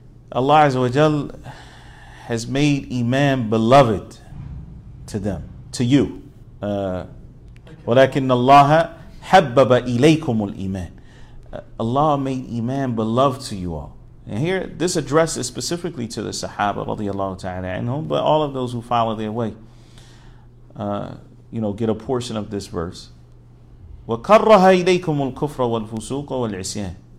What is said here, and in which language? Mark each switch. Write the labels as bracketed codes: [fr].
[en] Allah Azza wa Jal has made Iman beloved to them, to you. [ar] ولكن الله حبب إليكم الإيمان. [en] Allah made Iman beloved to you all. And here, this address is specifically to the Sahaba radiallahu ta'ala anhum, but all of those who follow their way, get a portion of this verse. [ar] وَكَرَّهَ إِلَيْكُمُ الْكُفْرَ وَالْفُسُوقَ وَالْعِسْيَانِ.